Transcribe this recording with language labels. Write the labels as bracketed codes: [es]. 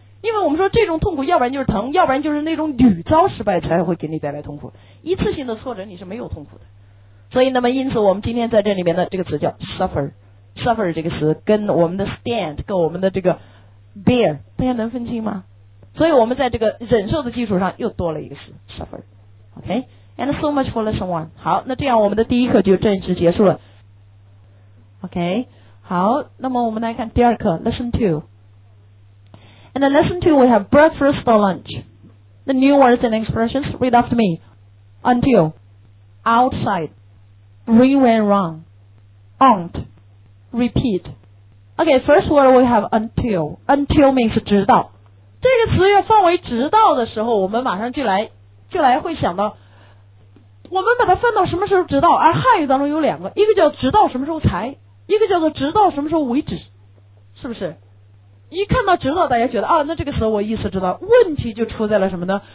[zh] 因为我们说这种痛苦，要不然就是疼，要不然就是那种屡遭失败才会给你带来痛苦。一次性的挫折你是没有痛苦的。所以那么因此我们今天在这里面的这个词叫 suffer。 suffer 这个词跟我们的 stand 跟我们的这个 bear 大家能分清吗？所以我们在这个忍受的基础上又多了一个词 suffer。 [en] OK, and so much for lesson one。 [zh] 好，那这样我们的第一课就正式结束了。 [en] OK, [zh] 好，那么我们来看第二课 [en] lesson two。 And in lesson two we have breakfast or lunch, the new words and expressions, read after me. Until, outside,Ring went wrong. Aunt. Repeat. Okay, first word we have until. Until means [zh] 直到。这个词要放为直到的时候，我们马上就来会想到，我们把它分到什么时候直到，而汉语当中有两个，一个叫直到什么时候才，一个叫做直到什么时候为止，是不是？一看到直到，大家觉得啊，那这个词我意思知道。问题就出在了什么呢？